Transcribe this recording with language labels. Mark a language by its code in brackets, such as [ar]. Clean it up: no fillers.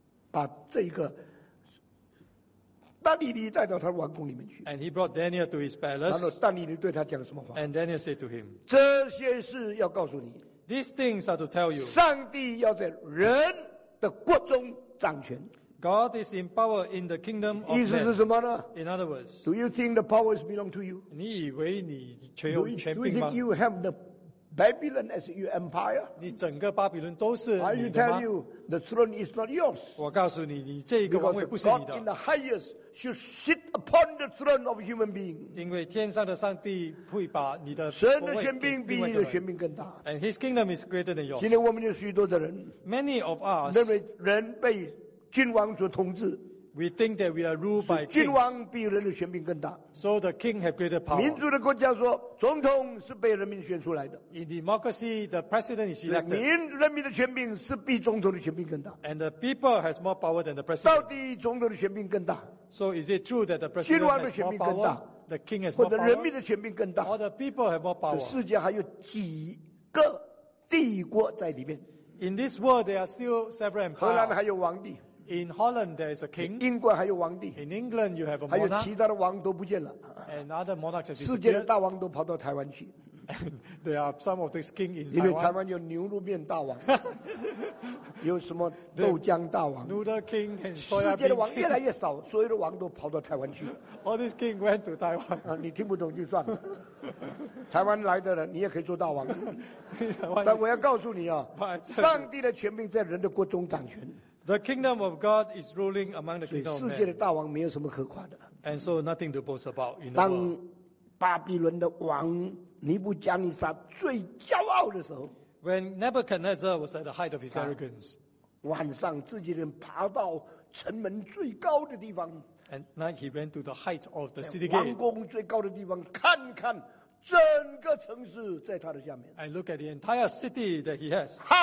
[zh] 把这个但以理带到他的王宫里面去。 [en] And he brought Daniel to his palace. [zh] 然后但以理对他讲什么话？ [en] And Daniel said to him, [zh] 这些事要告诉你。 [en] These things are to tell you. [zh] 上帝要在人的国中掌权。 [en] God is in power in the kingdom of man. [zh] 意思是什么呢？ [en] In other words, do you think the powers belong to you? [zh] 你以为你全有权柄吗？ [en] Do you think you have the Babylon as your empire? [zh] 你整个巴比伦都是你的吗？ [en] I will tell you, the throne is not yours. [zh] 我告诉你，你这个王位不是你的。 [en] Because God in the highest should sit upon upon the throne of a human being. [zh] 因为天上的上帝会把你的神的权柄比你的权柄更大。 [en] And His kingdom is greater than yours. [zh] 今天我们有许多的人 [en] ，Many of us， [zh] 认为人被君王所统治。 [en] We think that we are ruled by kings. [zh] 君王比人的权柄更大。 [en] So the king have greater power. [zh] 民主的国家说，总统是被人民选出来的。 [en] In democracy, the president is elected. [zh] 人民的权柄是比总统的权柄更大。 [en] And the people has more power than the president. [zh] 到底总统的权柄更大 [en] ？So is it true that the president has more power? [zh] 君王的权柄更大 [en] ，the king has more power. [zh] 或者人民的权柄更大 [en] ，or the people have more power? [zh] 世界还有几个帝国在里面 [en] ？In this world, there are still several empires. [zh] 荷兰还有王帝。 [en] In Holland, there is a king. [zh] 英国还有王帝。 [en] In England, you have a monarch. [zh] 还有其他的王都不见了。 [en] And other monarchs have disappeared. [zh] 世界的大王都跑到台湾去。 [en] And there are some of these kings in Taiwan. [zh] 因为台湾有牛肉面大王，有什么豆浆大王。 [en] Noodle king and soya bean king. [zh] 世界的王越来越少，所有的王都跑到台湾去。 [en] All these kings went to Taiwan. [zh] 你听不懂就算了。台湾来的人，你也可以做大王。但我要告诉你啊，上帝的权柄在人的国中掌权。 [en] The kingdom of God is ruling among the kingdom of men. [zh] 世界的大王没有什么可夸的。 [en] And so nothing to boast about. [zh] 当巴比伦的王尼布加尼撒最骄傲的时候 [en] ，When Nebuchadnezzar was at the height of his arrogance, [zh] 晚上自己人爬到城门最高的地方 [en] ，And night he went to the height of the city gate. [zh] 王宫最高的地方看看整个城市在他的下面。 [en] And look at the entire city that he has.